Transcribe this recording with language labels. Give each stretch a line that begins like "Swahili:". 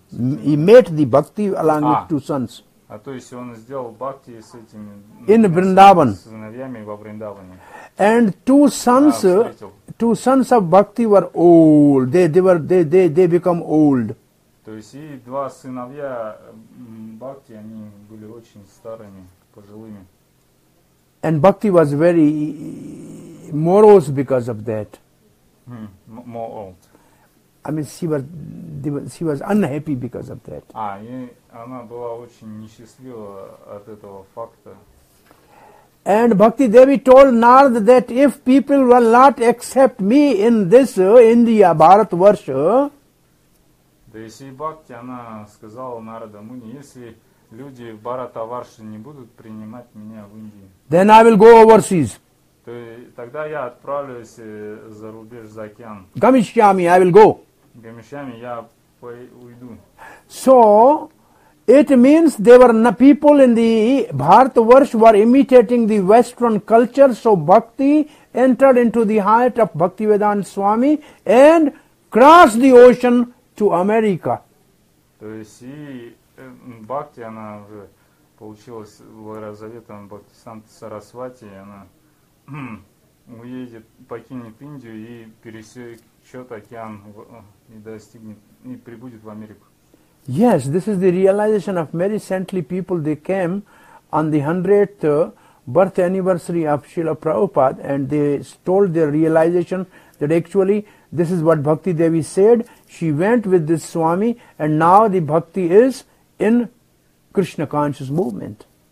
English: He made the bhakti along with two sons.
Russian: А то есть он сделал бхакти с этими сыновьями во Вриндаване.
English: And two sons of bhakti were old. They become old.
Russian: То есть и два сыновья бхакти, они были очень старыми, пожилыми.
English: And bhakti was very morose because of that. More old. I mean, she was unhappy because of that.
Russian: Она была очень несчастлива от этого факта.
English: And Bhakti Devi told Narada that if people will not accept me in this India, Bharat Varsha.
Russian: Да и Сри Бхакти, она сказала Нарада Муни, если люди в Барата Варши не будут принимать меня в Индии,
English: then I will go overseas.
Russian: То тогда я отправлюсь за рубеж, за океан.
English: Гамишьями, I will go.
Russian: Гамишьями, я уйду.
English: So, it means there were no people in the Bharatvarsh were imitating the Western culture, so Bhakti entered into the heart of Bhaktivedanta Swami and crossed the ocean to America.
Russian: То есть, и Бхакти, она уже получилась Вайразавета Бхактисиддханта Сарасвати, она уедет, покинет Индию и пересечет океан и достигнет, и прибудет в Америку.
English: Yes, this is the realization of many saintly people. They came on the 100th birth anniversary of Srila Prabhupada and they told their realization that actually this is what Bhakti Devi said. She went with this Swami and now the Bhakti is in Krishna conscious movement.